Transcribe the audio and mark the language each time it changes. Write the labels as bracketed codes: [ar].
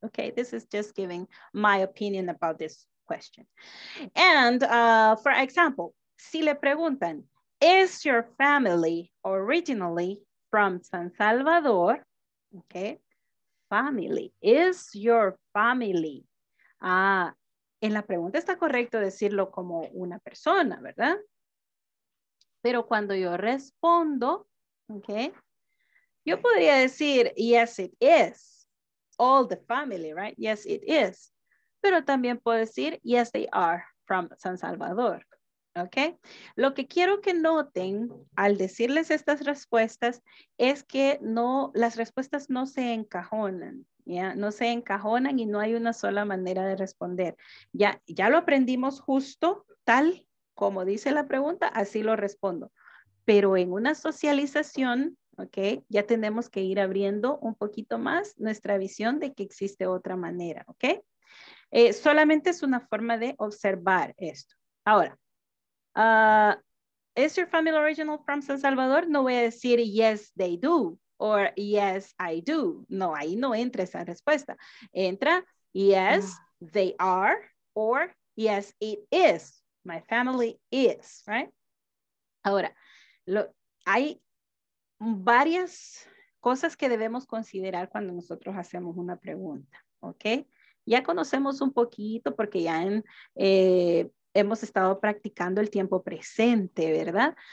[en] Okay, this is just giving my opinion about this question. And for example, [es] si le preguntan, [en] is your family originally from San Salvador? Okay, family. Is your family? [es] Ah, en la pregunta está correcto decirlo como una persona, ¿verdad? Pero cuando yo respondo, okay, yo podría decir, [en] yes, it is. All the family, right? Yes, it is. [es] Pero también puedo decir, [en] yes, they are from San Salvador. Okay. [es] Lo que quiero que noten al decirles estas respuestas es que no, las respuestas no se encajonan, ¿ya? No se encajonan y no hay una sola manera de responder. Ya, ya lo aprendimos justo tal como dice la pregunta, así lo respondo. Pero en una socialización, okay, ya tenemos que ir abriendo un poquito más nuestra visión de que existe otra manera. Okay. Solamente es una forma de observar esto. [en] Ahora, is your family original from San Salvador? [es] No voy a decir [en] yes they do or yes I do. [es] No, ahí no entra esa respuesta. Entra [en] yes they are or yes it is. My family is, right? [es] Ahora, hay varias cosas que debemos considerar cuando nosotros hacemos una pregunta, ¿okay? Ya conocemos un poquito porque ya en hemos estado practicando el tiempo presente, ¿verdad?